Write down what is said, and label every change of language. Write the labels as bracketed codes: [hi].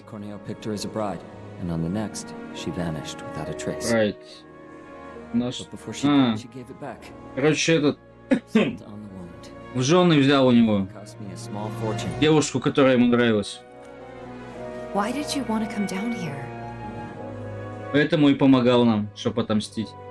[en] Cornel picked her as a bride, and on the next, she vanished without a trace. Right. [ru] Наш... [en] She gave it back. [ru] Короче, этот в жены взял у него девушку, которая ему нравилась. [en] Why did you want to come down here? [ru] Поэтому и помогал нам, чтобы отомстить.